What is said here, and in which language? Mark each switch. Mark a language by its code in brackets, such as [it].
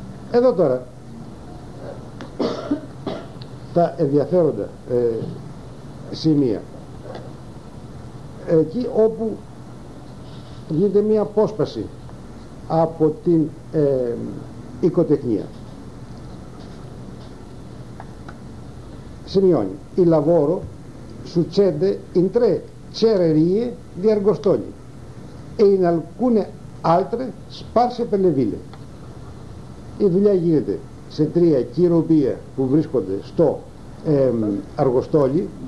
[el] Εδώ τώρα τα ενδιαφέροντα σημεία. Εκεί όπου γίνεται μία απόσπαση από την οικοτεχνία. Σημειώνει. [it] Il lavoro succede in tre cererie di Argostoli e in alcune altre sparse per le ville. [el] Η δουλειά γίνεται σε τρία κυρωπία που βρίσκονται στο Αργοστόλι.